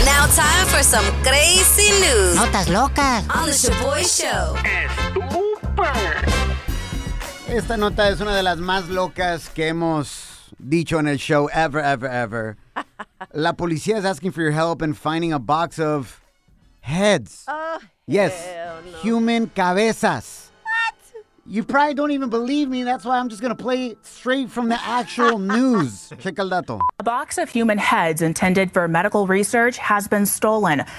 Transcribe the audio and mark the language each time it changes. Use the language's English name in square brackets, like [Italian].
[English] Now time for some crazy news. [Spanish] Notas locas. [English] On the Shaboy Show. [Spanish] Estúpido. Esta nota es una de las más locas que hemos dicho en el show [English] ever, ever, ever. [Spanish] La policía [English] is asking for your help in finding a box of heads. Yes, human [Spanish] cabezas. [English] What? You probably don't even believe me. That's why I'm just going to play straight from the actual news. Check [Spanish] el dato. [English] A box of human heads intended for medical research has been stolen.